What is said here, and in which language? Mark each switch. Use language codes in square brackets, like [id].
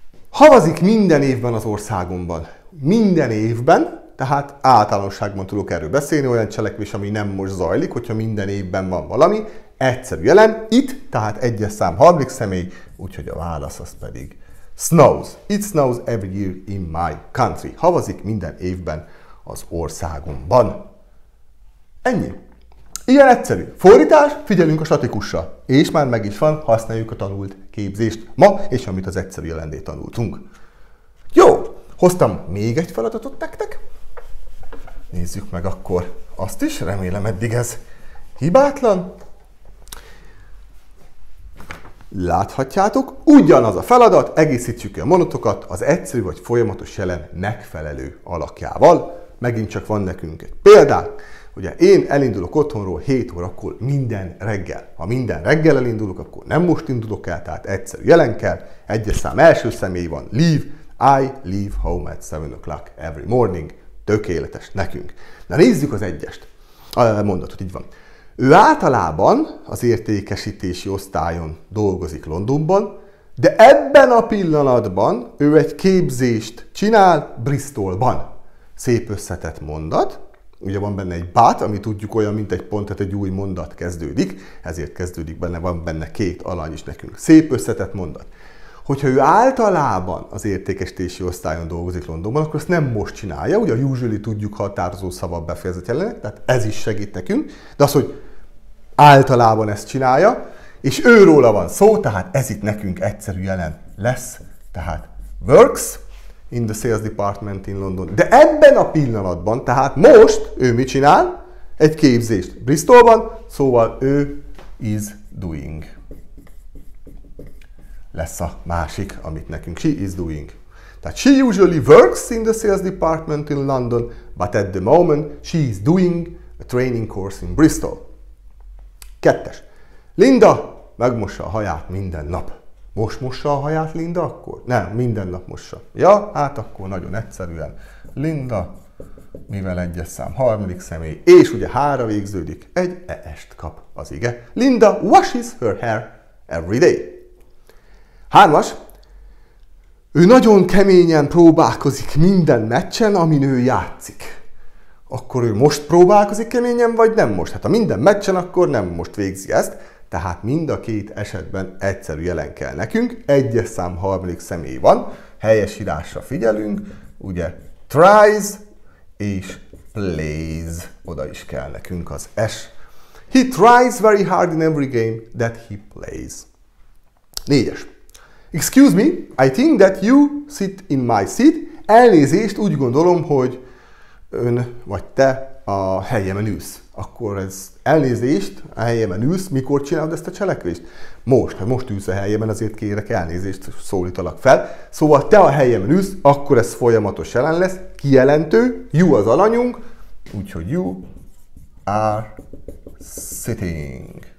[hu] Havazik minden évben az országomban. Minden évben, tehát általánosságban tudok erről beszélni, olyan cselekvés, ami nem most zajlik, hogyha minden évben van valami, egyszerű jelen, itt, tehát egyes szám, harmadik személy, úgyhogy a válasz az pedig snows. [en] It snows every year in my country. [hu] Havazik minden évben az országomban. Ennyi. Ilyen egyszerű. Fordítás, figyelünk a statikusra. És már meg is van, használjuk a tanult képzést ma, és amit az egyszerű jelenné tanultunk. Jó, hoztam még egy feladatot nektek. Nézzük meg akkor azt is, remélem eddig ez hibátlan. Láthatjátok, ugyanaz a feladat, egészítsük ki a mondatokat az egyszerű vagy folyamatos jelen megfelelő alakjával. Megint csak van nekünk egy példánk. Ugye én elindulok otthonról 7 órakor minden reggel. Ha minden reggel elindulok, akkor nem most indulok el, tehát egyszerű jelen kell. Egyes szám első személy van, leave. [en] I leave home at 7 o'clock every morning. [hu] Tökéletes nekünk. Na nézzük az egyest. A mondatot így van. Ő általában az értékesítési osztályon dolgozik Londonban, de ebben a pillanatban ő egy képzést csinál Bristolban. Szép összetett mondat. Ugye van benne egy but, ami tudjuk olyan, mint egy pont, tehát egy új mondat kezdődik. Ezért kezdődik benne, van benne két alany is nekünk. Szép összetett mondat. Hogyha ő általában az értékesítési osztályon dolgozik Londonban, akkor ezt nem most csinálja, ugye a usually tudjuk határozó szava befejezet jelenet, tehát ez is segít nekünk, de az, hogy általában ezt csinálja, és őróla van szó, tehát ez itt nekünk egyszerű jelen lesz, tehát works in the sales department in London. De ebben a pillanatban, tehát most ő mit csinál? Egy képzést Bristolban, szóval ő is doing. Lesz a másik, amit nekünk she is doing. [en] Tehát she usually works in the sales department in London, but at the moment she is doing a training course in Bristol. [hu] Kettes. Linda megmossa a haját minden nap. Most mossa a haját Linda akkor? Nem, minden nap mossa. Ja, hát akkor nagyon egyszerűen. Linda, mivel egyes szám harmadik személy, és ugye hára végződik, egy est kap az ige. [en] Linda washes her hair every day. [hu] Hármas, ő nagyon keményen próbálkozik minden meccsen, amin ő játszik. Akkor ő most próbálkozik keményen, vagy nem most? Hát ha minden meccsen, akkor nem most végzi ezt. Tehát mind a két esetben egyszerű jelen kell nekünk. Egyes szám harmadik személy van, helyes írásra figyelünk. Ugye tries és plays, oda is kell nekünk az S. [en] He tries very hard in every game that he plays. Négyes. Excuse me, I think that you sit in my seat. [hu] Elnézést, úgy gondolom, hogy ön vagy te a helyemen ülsz. Akkor ez elnézést, a helyemen ülsz, mikor csinálod ezt a cselekvést? Most, ha most ülsz a helyemen, azért kérek elnézést, szólítalak fel. Szóval te a helyemen ülsz, akkor ez folyamatos jelen lesz, kijelentő, you az alanyunk, úgyhogy you are sitting.